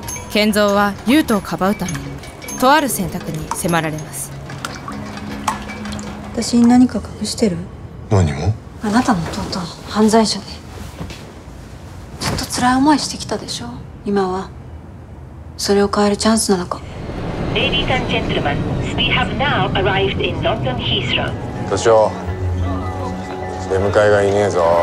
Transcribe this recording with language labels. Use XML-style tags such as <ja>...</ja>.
<ja>健三は優斗をかばうため、とある選択に迫られます。私に何か隠してる？何も。あなたの弟は犯罪者でずっと辛い思いしてきたでしょ。今はそれを変えるチャンスなのか。</ja> <en>Ladies and gentlemen, we have now arrived in London Heathrow.</en> <ja>所長、出迎えがいねえぞ。</ja>